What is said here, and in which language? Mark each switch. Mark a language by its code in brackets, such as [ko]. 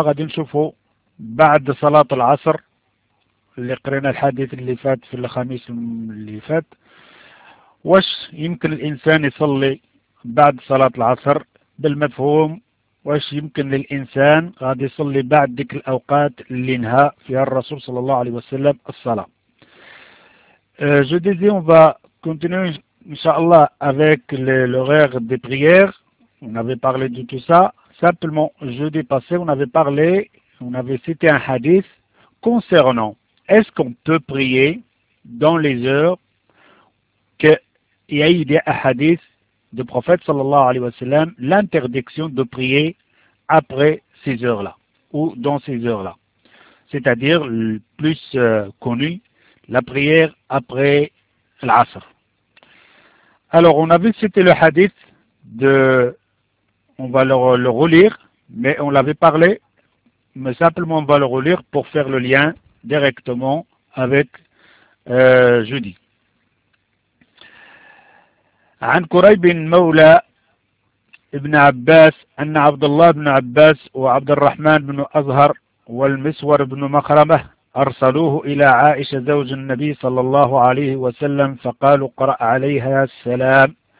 [ar] غادي نشوفه بعد صلاة العصر اللي قرينا الحديث اللي فات في الخميس اللي فات، واش يمكن الإنسان يصلي بعد صلاة العصر بالمفهوم، واش يمكن للإنسان غادي يصلي بعد ديك الأوقات اللي نهى فيها الرسول صلى الله عليه وسلم الصلاة. [fr] جودي دي اون با كونتينيو Inch'Allah, avec l'horaire des prières, on avait parlé de tout ça. Simplement, jeudi passé, on avait cité un hadith concernant est-ce qu'on peut prier dans les heures qu'il y a eu des hadiths du prophète sallallahu alayhi wa sallam, l'interdiction de prier après ces heures-là, ou dans ces heures-là. C'est-à-dire, le plus connu, la prière après l'asr. Alors, on avait cité le hadith de, on va le relire, mais on l'avait parlé, mais simplement on va le relire pour faire le lien directement avec jeudi. [ar] عن كريب مولى ابن عباس أن عبد الله بن عباس وعبد الرحمن بن أزهر والمسور بن مخرمة أرسلوه إلى عائشة زوج النبي صلى الله عليه وسلم فقالوا اقرأ عليها السلام،